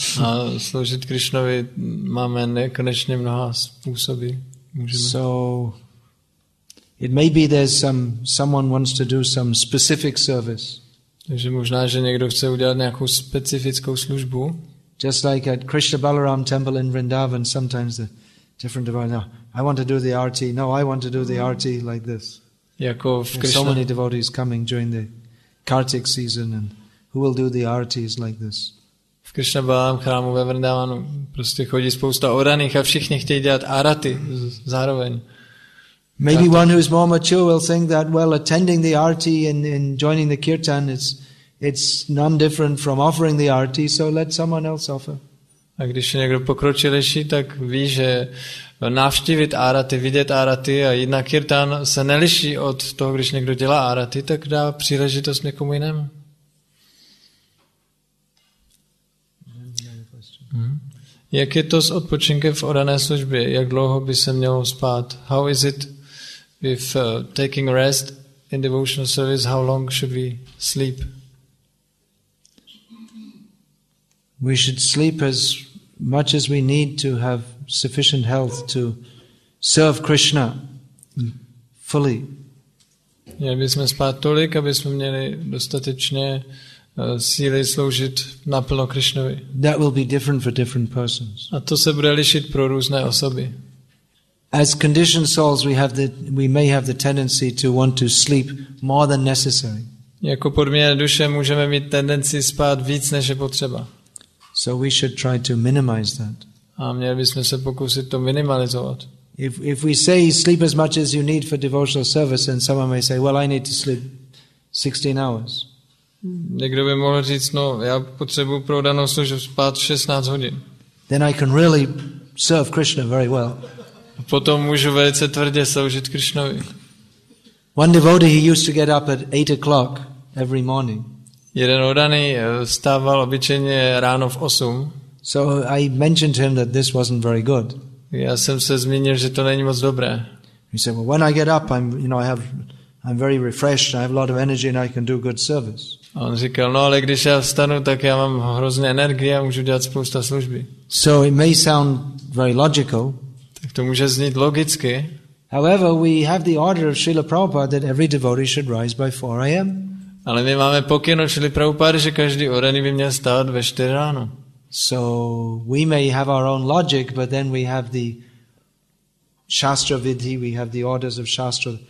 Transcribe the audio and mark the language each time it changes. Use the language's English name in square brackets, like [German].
[Czech] A sloužit Krishnovi máme nekonečně mnoha způsoby. Můžeme. [English] So it may be there's someone wants to do some specific service. [Czech] Takže možná, že někdo chce udělat nějakou specifickou službu. [English] Just like at Krishna Balaram temple in Vrindavan, sometimes the different devotees, I want to do the RT. No, I want to do the RT like this. [Czech] Jako v Krishna. [English] So many devotees coming during the Kartik season and who will do the arties like this? [Czech] V Krishna Balaram chrámu ve Vrindavanu prostě chodí spousta oraných a všichni chtějí dělat arati zároveň. [English] Maybe one who is more mature will think that well, attending the arti and joining the kirtan it's none different from offering the arti, so let someone else offer. [Czech] A když je někdo pokročilejší, tak ví, že navštívit arati, vidět arati a jít na kirtan se neliší od toho, když někdo dělá arati, tak dá příležitost někomu jinému. Jak je to s odpočinkem v orané službě? Jak dlouho by se mělo spát? [English] How is it with taking rest in devotional service? How long should we sleep? We should sleep as much as we need to have sufficient health to serve Krishna fully. [Czech] Měli bychom spát tolik, aby jsme měli dostatečně síly sloužit naplno Krišnovi. [English] That will be different for different persons. [Czech] A to se bude lišit pro různé osoby. [English] As conditioned souls, we may have the tendency to want to sleep more than necessary. [Czech] Jako podmíněné duše můžeme mít tendenci spát víc než je potřeba. [English] So we should try to minimize that. [Czech] A měli bychom se pokusit to minimalizovat. [English] If we say sleep as much as you need for devotional service, then someone may say, well, I need to sleep 16 hours. [Czech] Někdo by mohl říct, no, já potřebuji pro danou službu spát 16 hodin. [English] Then I can really serve Krishna very well. [Czech] Potom můžu velice tvrdě sloužit Krishnovi. [English] One devotee, he used to get up at 8 o'clock every morning. [Czech] Jeden oddaný vstával obyčejně ráno v 8. [English] So I mentioned to him that this wasn't very good. [Czech] Já jsem se zmínil, že to není moc dobré. [English] He said, well, when I get up, I'm very refreshed, I have a lot of energy and I can do good service. [Czech] On říkal, no ale když já vstanu, tak já mám hrozně energie a můžu dělat spousta služby. [English] So it may sound very logical. [Czech] Tak to může znít logicky. [English] However, we have the order of Srila Prabhupada that every devotee should rise by 4 a.m. [Czech] Ale my máme pokyn od Srila Prabhupada, že každý oraný by měl stát ve 4 ráno. [English] So we may have our own logic, but then we have the Shastra Vidhi, we have the orders of Shastra.